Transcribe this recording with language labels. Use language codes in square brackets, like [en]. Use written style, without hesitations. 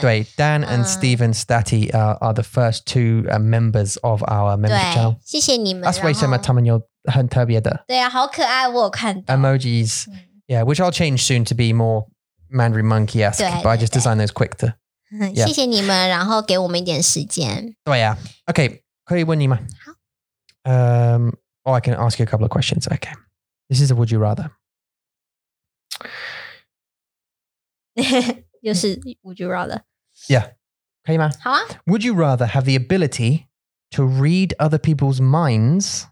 [en] 对, Dan and Steven Statty are the first two members of our membership channel. [zh] 谢谢你们。 [en] That's why [zh] 他们有很特别的。对啊,好可爱,我有看到。 [en] Emojis, which I'll change soon to be more Mandarin Monkey-esque, but I just designed those quick to... [zh] 谢谢你们,然后给我们一点时间。对啊,okay, 可以问你吗? 好。 [en] I can ask you a couple of questions, okay. This is a would you rather. [zh] 又是 [en] would you rather? [zh] Yeah, 可以吗? 好啊。 [en] Would you rather have the ability to read other people's minds,